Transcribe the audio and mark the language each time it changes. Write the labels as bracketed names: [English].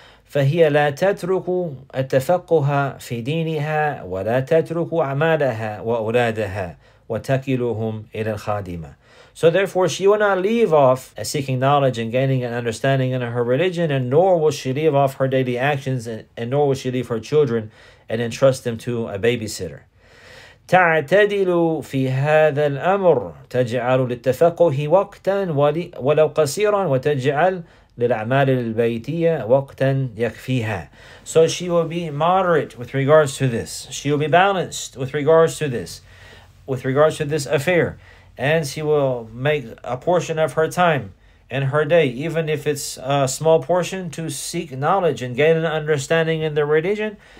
[Arabic] فَهِيَ لَا تَتْرُكُ التَّفَقُّهَا فِي دِينِهَا وَلَا تَتْرُكُ أَعْمَالَهَا وَأُولَادَهَا وَتَكِلُهُمْ إِلَى الْخَادِمَةِ. [English] So therefore, she will not leave off seeking knowledge and gaining an understanding in her religion, and nor will she leave off her daily actions, and nor will she leave her children and entrust them to a babysitter. [Arabic] تعتدل في هذا الأمر تجعل للتفقه وقتا ولو قصيرا وتجعل للأعمال البيتية وقتا يكفيها. [English] So she will be moderate with regards to this. She will be balanced with regards to this, with regards to this affair. And she will make a portion of her time and her day, even if it's a small portion, to seek knowledge and gain an understanding in the religion.